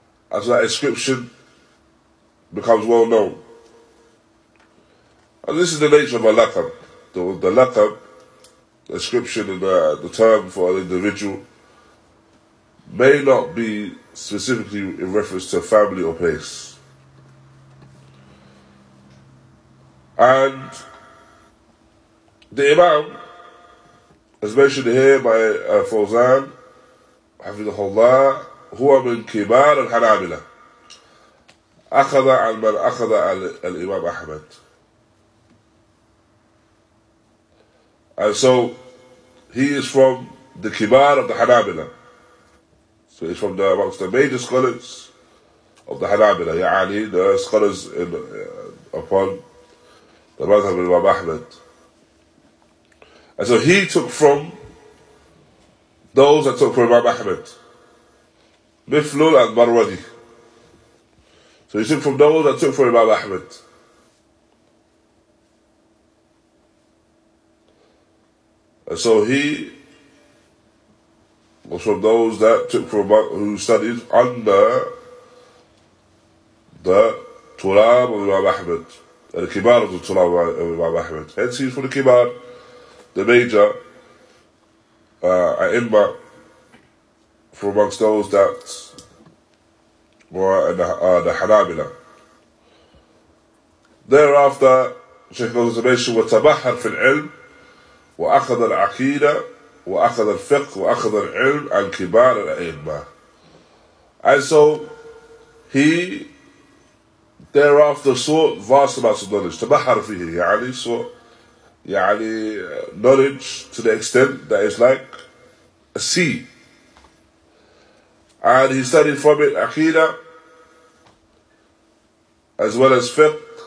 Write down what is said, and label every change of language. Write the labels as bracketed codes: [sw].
[en] And so that ascription becomes well known. And this is the nature of a laqab. The laqab, the ascription and the term for an individual, may not be specifically in reference to a family or place. And the Imam, as mentioned here by Fawzan, Hafidhullah, [ar] هو من كبار الحنابلة أخذ عن من أخذ الإمام أحمد. [en] And so, he is from the kibar of the Hanabila. So he's from the amongst the major scholars of the Hanabila, [ar] يعني [en] the scholars upon the Madhab of Imam Ahmed. And so he took from those that took from Imam Ahmed, Miflul and Marwadi. So he took from those that took from Imam Ahmed. And so he was from those that took from, who studied under the Tulab of Imam Ahmed, the Kibar of the Tulab of Imam Ahmed. Hence he's from the Kibar, the major, A'imma, from amongst those that were in the Hanabila. Thereafter, Shaykh goes to mention, [ar] وَتَبَحَّرْ فِي الْعِلْمِ وأخذ العقيدة وأخذ الفقه وأخذ العلم عن كبار الأئمة. [en] And so he thereafter sought vast amounts of knowledge. [ar] تبحر فيه يعني [en] sought [ar] يعني [en] knowledge to the extent that is like a sea. And he studied from it عقيدة as well as فقه.